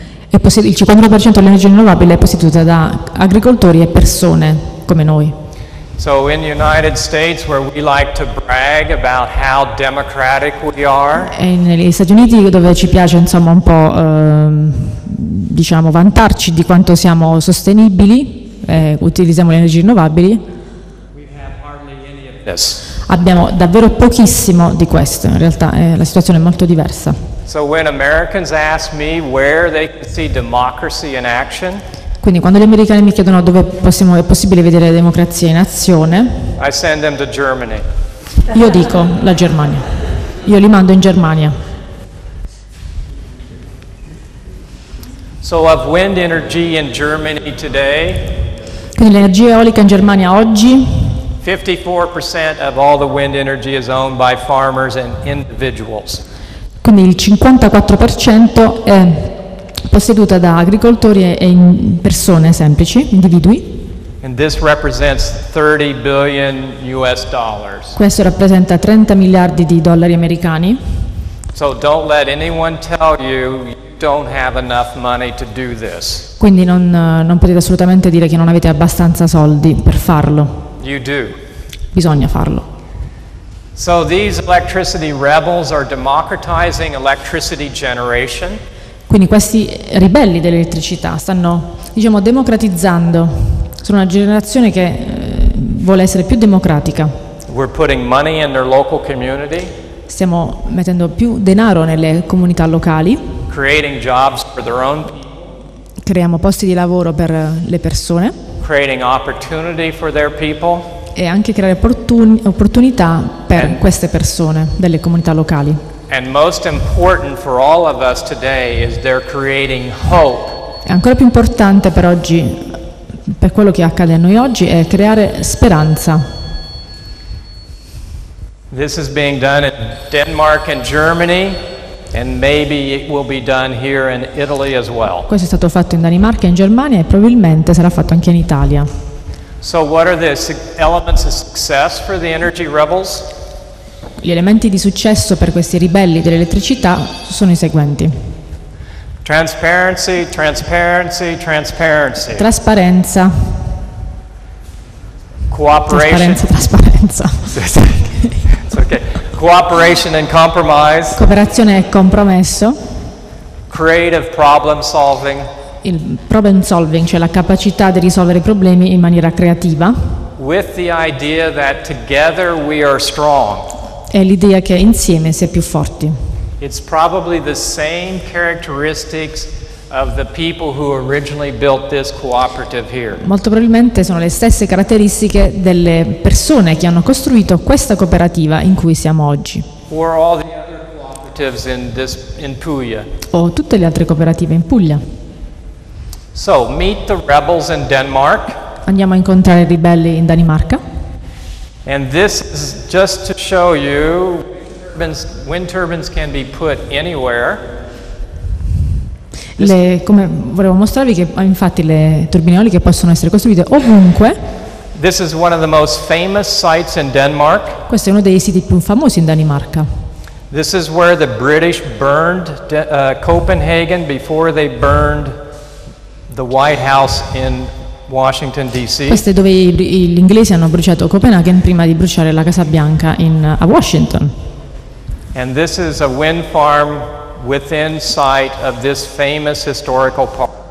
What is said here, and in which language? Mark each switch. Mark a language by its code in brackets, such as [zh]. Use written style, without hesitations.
[it] Il 51% dell'energia rinnovabile è posseduta da agricoltori e persone come noi. [en] So in the United States where we like to brag about how democratic we are. [it] E negli Stati Uniti dove ci piace insomma un po' diciamo vantarci di quanto siamo sostenibili, utilizziamo le energie rinnovabili. [en] We have hardly any of this. [it] Abbiamo davvero pochissimo di questo, in realtà la situazione è molto diversa. [en] So when Americans ask me where they can see democracy in action, [it] quindi quando gli americani mi chiedono dove è possibile vedere la democrazia in azione, [en] I send them to Germany. [it] Io dico la Germania. Io li mando in Germania. [en] So of wind energy in Germany today, [it] quindi l'energia eolica in Germania oggi, [en] 54% of all the wind energy is owned by farmers and individuals. [it] Quindi il 54% è posseduta da agricoltori e persone semplici, individui. [en] And this represents 30 billion US dollars. [it] Questo rappresenta 30 miliardi di dollari americani. [en] So don't let anyone tell you you don't have enough money to do this. [it] Quindi non potete assolutamente dire che non avete abbastanza soldi per farlo. [en] You do. [it] Bisogna farlo. [en] So these electricity rebels are democratizing electricity generation. [it] Quindi questi ribelli dell'elettricità stanno, diciamo, democratizzando. Sono una generazione che vuole essere più democratica. [en] We're putting money in their local community. [it] Stiamo mettendo più denaro nelle comunità locali. [en] Creating jobs for their own people. [it] Creiamo posti di lavoro per le persone. [en] Creating opportunity for their people. [it] E anche creare opportunità per queste persone delle comunità locali. [en] And most important for all of us today is they're creating hope. [it] È ancora più importante per oggi, per quello che accade a noi oggi, è creare speranza. [en] This is being done in Denmark and Germany, and maybe it will be done here in Italy as well. [it] Questo è stato fatto in Danimarca e in Germania e probabilmente sarà fatto anche in Italia. [en] So what are the elements of success for the energy rebels? [it] Gli elementi di successo per questi ribelli dell'elettricità sono i seguenti. [en] Transparency, transparency, transparency. [it] Trasparenza. [en] Cooperation. [it] Trasparenza. [en] It's okay. Cooperation and compromise. [it] Cooperazione e compromesso. [en] Creative problem solving. [it] Il problem solving, cioè la capacità di risolvere i problemi in maniera creativa. [en] With the idea that together we are strong. [it] È l'idea che insieme si è più forti. [en] It's probably the same characteristics of the people who originally built this cooperative here. [it] Molto probabilmente sono le stesse caratteristiche delle persone che hanno costruito questa cooperativa in cui siamo oggi. [en] Or all the other cooperatives in Puglia. [it] O tutte le altre cooperative in Puglia. [en] So, meet the rebels in Denmark. [it] Andiamo a incontrare i ribelli in Danimarca. [en] And this is just to show you wind turbines can be put anywhere. [it] Come volevo mostrarvi che infatti le turbine eoliche possono essere costruite ovunque. [en] This is one of the most famous sites in Denmark. [it] Questo è uno dei siti più famosi in Danimarca. [en] This is where the British burned Copenhagen before they burned the White House in Washington DC. [it] Questo è dove gli inglesi hanno bruciato Copenaghen prima di bruciare la Casa Bianca a Washington. [en] And this is a wind farm within sight of this famous historical park.